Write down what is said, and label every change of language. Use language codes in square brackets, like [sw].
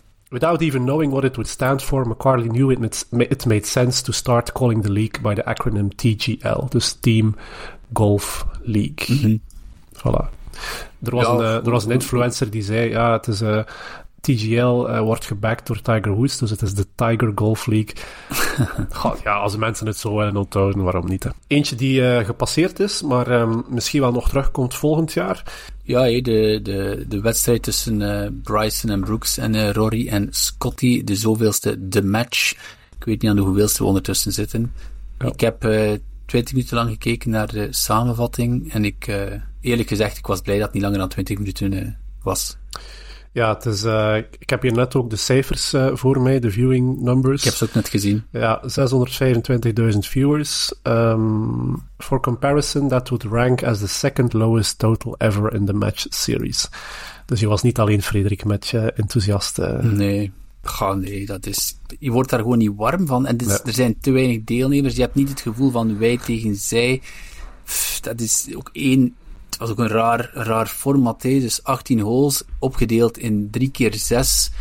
[en] Without even knowing what it would stand for, McCarley knew it made sense to start calling the league by the acronym TGL, [nl] dus [en] Team Golf League. Mm-hmm. Voilà. [nl] Er was een influencer die zei, ja, het is TGL wordt gebacked door Tiger Woods, dus het is de Tiger Golf League. God, ja, als mensen het zo willen onthouden, waarom niet? Hè? Eentje die gepasseerd is, maar misschien wel nog terugkomt volgend jaar. Ja, de wedstrijd tussen Bryson en Brooks en Rory en Scotty, de zoveelste The Match. Ik weet niet aan de hoeveelste we ondertussen zitten. Ja. Ik heb 20 minuten lang gekeken naar de samenvatting en ik, eerlijk gezegd, ik was blij dat het niet langer dan 20 minuten was. Ja, het is, ik heb hier net ook de cijfers voor mij, de [en] viewing numbers. [nl] Ik heb ze ook net gezien. Ja, 625.000 viewers. [en] For comparison, that would rank as the second lowest total ever in the match series. [nl] Dus je was niet alleen, Frederik, met je enthousiaste... Nee. Dat is... Je wordt daar gewoon niet warm van. En dus, er zijn te weinig deelnemers. Je hebt niet het gevoel van wij tegen zij. Dat is ook één... Het was ook een raar format, hè. Dus 18 holes, opgedeeld in 3 keer 6.